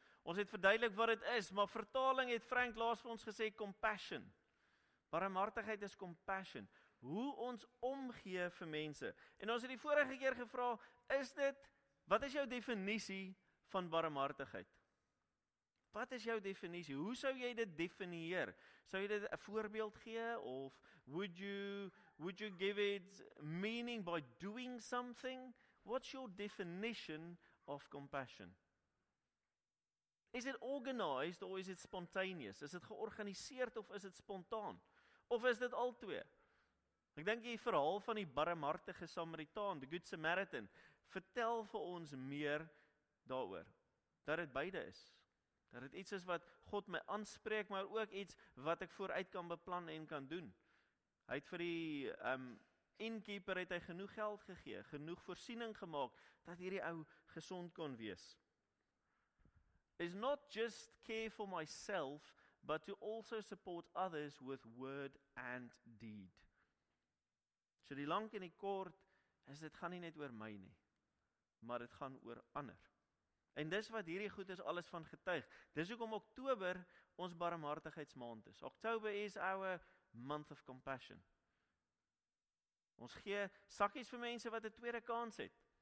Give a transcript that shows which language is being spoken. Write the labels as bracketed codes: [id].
[af] Ons het verduidelik wat dit is, maar vertaling het Frank laas vir ons gesê compassion. Barmhartigheid is compassion. Hoe ons omgee vir mense. En ons het die vorige keer gevra, is dit, wat is jou definisie van barmhartigheid? Wat is jou definisie? Hoe sou jy dit definieer? Sou jy dit 'n voorbeeld gee of [en] would you give it meaning by doing something? What's your definition of compassion? Is it organized or is it spontaneous? [af] Is dit georganiseerd of is dit spontaan? Of is dit al twee? Ek dink die verhaal van die barmhartige Samaritaan, [en] the Good Samaritan, [af] vertel vir ons meer daaroor. Dat dit beide is. Dat dit iets is wat God my aanspreek, maar ook iets wat ek vooruit kan beplan en kan doen. Hy het vir die innkeeper het hy genoeg geld gegee, genoeg voorsiening gemaak, dat hierdie ou gesond kon wees. [en] It's not just care for myself, but to also support others with word and deed. [af] So die lank en die kort, is dit gaan nie net oor my nie, maar dit gaan oor ander. En dis wat hierdie goed is alles van getuig. Dis hoekom Oktober ons barmhartigheidsmaand is. Oktober [en] is our month of compassion. [af] Ons gee sakkies vir mense wat 'n tweede kans het.